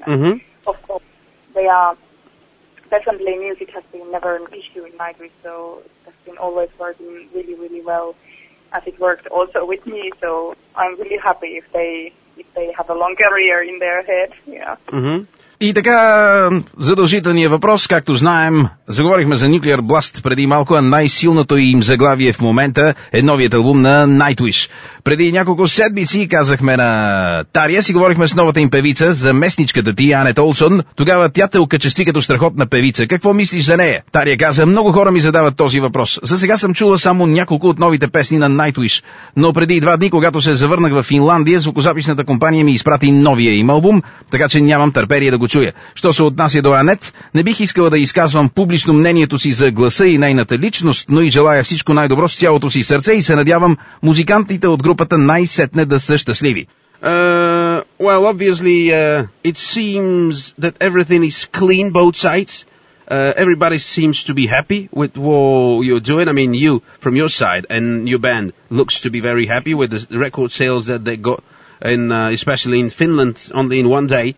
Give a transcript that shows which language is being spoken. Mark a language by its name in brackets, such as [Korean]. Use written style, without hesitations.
[English] Mm-hmm. And of course, they are. Definitely, music has been never an issue in Nightwish, so it's been always working really, really well, as it worked also with me. So I'm really happy if they if they have a long career in their head, yeah. Mm-hmm. [Bulgarian] И така, задължителният въпрос, както знаем, заговорихме за Nuclear Blast преди малко, а най-силното им заглавие в момента е новият албум на Nightwish. Преди няколко седмици казахме на Тария, си говорихме с новата им певица, за местничката ти, Анет Олсон. Тогава тя те окачестви като страхотна певица. Какво мислиш за нея? Тария каза, много хора ми задават този въпрос. За сега съм чула само няколко от новите песни на Nightwish. Но преди два дни, когато се завърнах в Финландия, звукозаписната компания ми изпрати новия им албум, така че нямам търпение да го чуя. Що се отнася до Анет, не бих искала да изказвам публично мнението си за гласа и нейната личност, но и желая всичко най-добро с цялото си сърце и се надявам музикантите от групата най-сетне да са щастливи. [English] Well, obviously, it seems that everything is clean both sides. Everybody seems to be happy with what you're doing. I mean, you, from your side and your band, looks to be very happy with the record sales that they got. And especially in Finland, only in one day.